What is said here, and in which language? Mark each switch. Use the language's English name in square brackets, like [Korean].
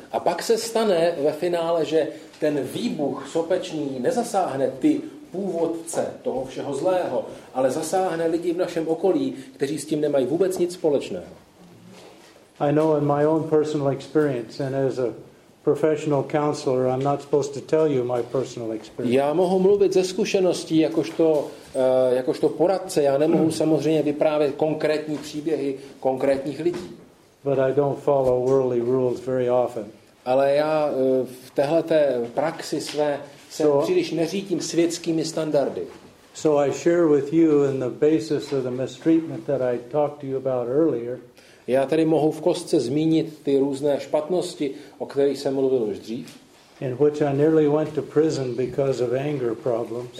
[Czech] A pak se stane ve finále, že ten výbuch sopečný nezasáhne ty původce toho všeho zlého, ale zasáhne lidi v našem okolí, kteří s tím nemají vůbec nic společného. [English] I know in my own personal experience, and as a professional counselor, I'm not supposed to tell you my personal experience. [Czech] Já mohu mluvit ze zkušeností jakožto poradce, já nemohu samozřejmě vyprávět konkrétní příběhy konkrétních lidí. [English] But I don't follow worldly rules very often. [Czech] Ale já v téhleté praxi své se příliš neřídím světskými standardy. [English] So I share with you in the basis of the mistreatment that I talked to you about earlier. [Czech] Já tady mohu v kostce zmínit ty různé špatnosti, o kterých jsem mluvil už dřív. [English] In which I nearly went to prison because of anger problems.